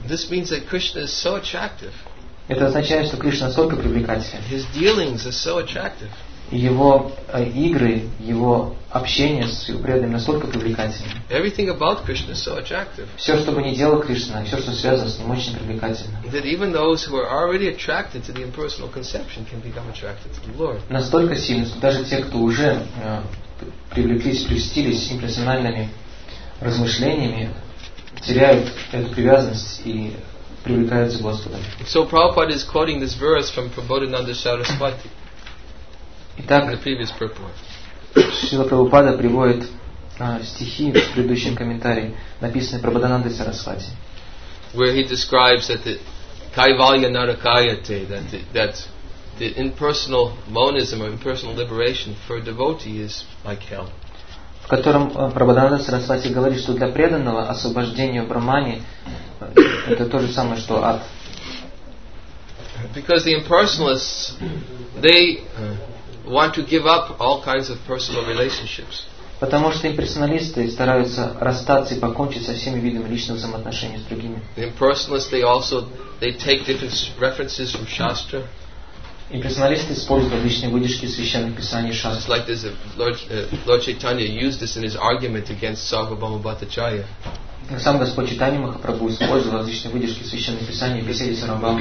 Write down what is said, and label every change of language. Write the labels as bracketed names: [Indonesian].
[English] This means that Krishna is so attractive. [Russian] Это означает, что Кришна настолько привлекателен. [English] His dealings are so attractive. [Russian] Его игры, его общение с его преданными настолько привлекательны. [English] Everything about Krishna is so attractive. [Russian] Все, что бы ни делал Кришна, все, что связано с ним, очень привлекательно. [English] That even those who are already attracted to the impersonal conception can become attracted to the Lord. [Russian] Настолько сильно, что даже те, кто уже привлеклись, прельстились имперсональными размышлениями, теряют эту привязанность и привлекаются к Господу. [English] So Prabhupada is quoting this verse from Prabodhananda Saraswati. [Russian] Итак, Шрила Прабхупада приводит стихи в предыдущем комментарии, написанные Прабхупадой Сарасвати. [English] Where he describes that the [Sanskrit] kaivalya narakayate, [English] that the impersonal monism or impersonal liberation for a devotee is like hell. [Russian] В котором Прабхупада Сарасвати говорит, что для преданного освобождение в Брахмане это то же самое, что ад. [English] Because the impersonalists, they want to give up all kinds of personal relationships. [Russian] Потому что имперсоналисты стараются расстаться и покончить со всеми видами личных взаимоотношений с другими. [English] Impersonalists, they take different references from Shastra. [Russian] Имперсоналисты используют различные выдержки из священных писаний Шастры. [English] It's like this, Lord Chaitanya used this in his argument against Sarvabhauma Bhattacharya. [Russian] Сам Господь Чайтанья Махапрабху использовал различные выдержки из священных писаний в беседе с Рамбамом.